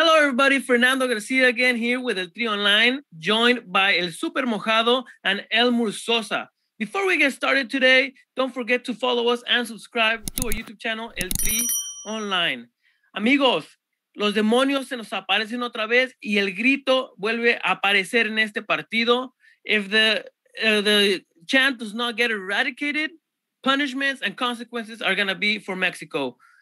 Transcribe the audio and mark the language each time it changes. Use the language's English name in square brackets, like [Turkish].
[English] everybody, Fernando Garcia again here with El Trio Online, joined by El Super Mojado and Elmer Sosa. Before we get started today, don't forget to follow us and subscribe to our YouTube channel, El Trio Online. [Spanish] Amigos, los demonios se nos aparecen otra vez y el grito vuelve a aparecer en este partido. [English] If the chant does not get eradicated, punishments and consequences are going to be for Mexico.